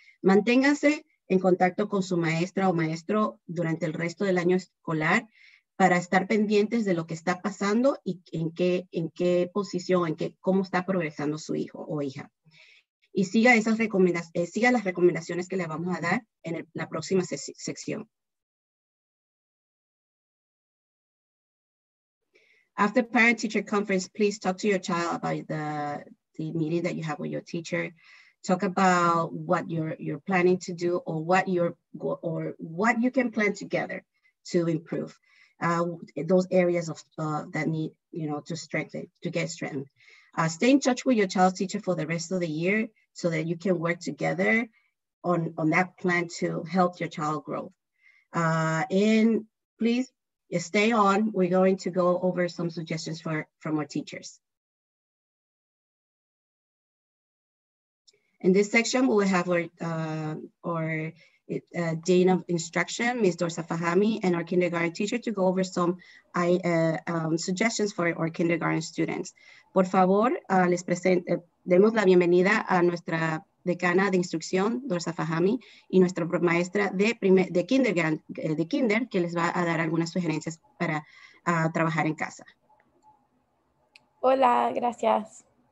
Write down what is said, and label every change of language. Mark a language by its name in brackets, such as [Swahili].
[Spanish] Manténganse en contacto con su maestra o maestro durante el resto del año escolar para estar pendientes de lo que está pasando y en qué posición, cómo está progresando su hijo o hija. y siga esas recomendaciones, siga las recomendaciones que le vamos a dar en la próxima sección. [English] After parent-teacher conference, please talk to your child about the meeting that you have with your teacher. Talk about what you're planning to do or what you can plan together to improve those areas of that need, you know, to get strengthened. Stay in touch with your child's teacher for the rest of the year so that you can work together on that plan to help your child grow. And please stay on. We're going to go over some suggestions from our teachers. In this section, we will have our Dean of Instruction, Ms. Dorsa Fahami, and our kindergarten teacher to go over some suggestions for our kindergarten students. [Spanish] Por favor, les presento, demos la bienvenida a nuestra decana de instrucción, Dorsa Fahami, y nuestra maestra de kinder, que les va a dar algunas sugerencias para trabajar en casa. Hola, gracias.